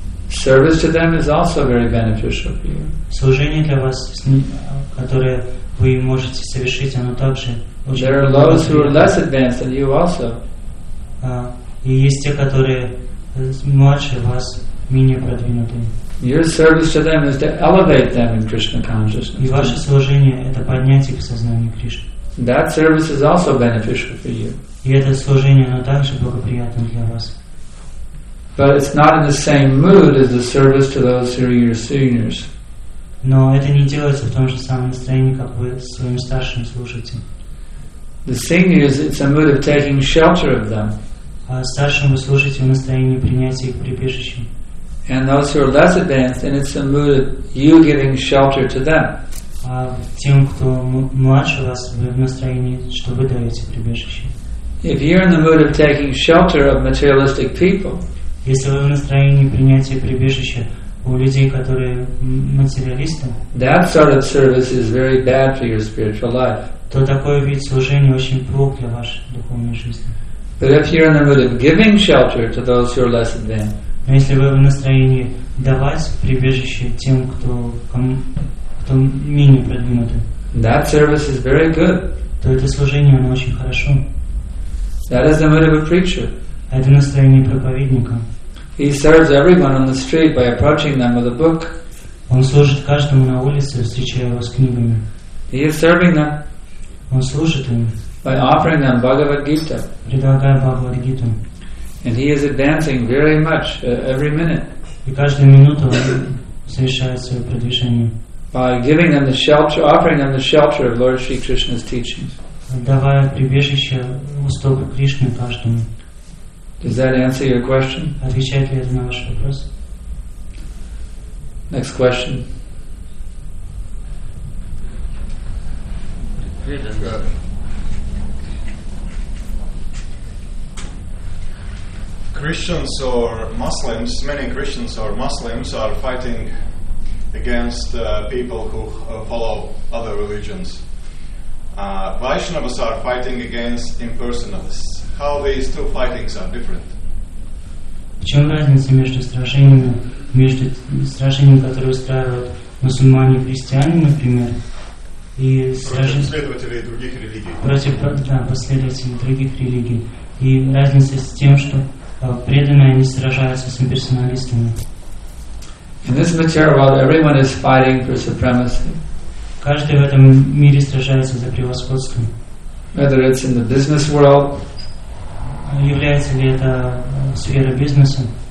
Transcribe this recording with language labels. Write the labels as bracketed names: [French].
[English] Service to them is also very beneficial for you. [Russian] Служение для вас, которое вы можете совершить, оно также очень. [English] There are those who are less advanced than you also. [Russian] И есть те, которые младше вас, менее продвинутые. [English] Your service to them is to elevate them in Krishna consciousness. [Russian] И ваше служение это поднять их в сознании Кришны. [English] That service is also beneficial for you. [Russian] И это служение оно также благоприятно для вас. [English] But it's not in the same mood as the service to those who are your seniors. [Russian] Но это не делается в том же самом настроении, как вы своим старшим служите. [English] The seniors, it's a mood of taking shelter of them. [Russian] А старшим вы служите в настроении принятия их прибежищем. [English] And those who are less advanced, and it's a mood of you giving shelter to them. [Russian] Тем, кто младше вас, вы в настроении, что вы даете прибежище. [English] If you're in the mood of taking shelter of materialistic people, [Russian] если вы в настроении принятия прибежища у людей, которые материалисты, [English] that sort of service is very bad for your spiritual life. [Russian] То такой вид служения очень плох для вашей духовной жизни. [English] But if you're in the mood of giving shelter to those who are less advanced. [Russian] Но если вы в настроении давать прибежище тем, кто менее продвинутый, [English] that service is very good. [Russian] то это служение, оно очень хорошо. [English] That is the mood of a preacher. [Russian] Это настроение проповедника. [English] He serves everyone on the street by approaching them with a book. [Russian] Он служит каждому на улице, встречая его с книгами. [English] He is serving them. [Russian] Он служит им. [English] By offering them Bhagavad Gita. [Russian] Предлагая Бхагавад Гиту. [English] And he is advancing very much every minute. [Russian] И каждую минуту он совершает свое продвижение. [English] By giving them the shelter, offering them the shelter of Lord Shri Krishna's teachings. [Russian] Давая прибежище у стопы Кришны каждому. [English] Does that answer your question? [Russian] Отвечает ли это на ваш вопрос? [English] Next question. Christians or Muslims, many Christians or Muslims are fighting against people who follow other religions. Vaishnavas are fighting against impersonalists. How these two fightings are different? [Russian] В чем разница между сражениями, которые устраивают мусульмане и христиане, например, и последователей других религий? И разница с тем, что преданные не сражаются с имперсоналистами. [English] In this material world, everyone is fighting for supremacy. [Russian] Каждый в этом мире сражается за превосходство. [English] Whether it's in the business world, [Russian] является ли это сфера бизнеса,